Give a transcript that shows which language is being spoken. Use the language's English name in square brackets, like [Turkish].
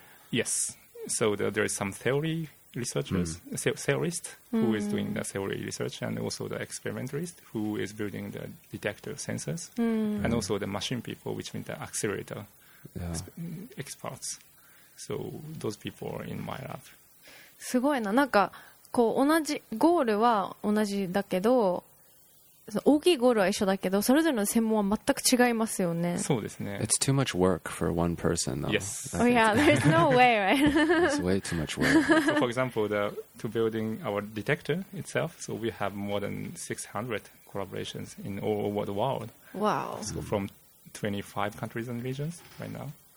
[English] Yes. So there is some theory. Researchers, theorist who is doing the theory research, and also the experimentalist who is building the detector sensors, and also the machine people, which means the accelerator experts. So those people are in my lab. [Japanese] すごいな。なんかこう同じゴールは同じだけど、大きいゴールは一緒だけど、それぞれの専門は全く違いますよね。そうですね。 [English] It's too much work for one person, though. Yes. Oh yeah, there's no way, right? It's way too much work. So for example, to building our detector itself, so we have more than 600 collaborations in all over the world. Wow. So from 25 countries and regions right now.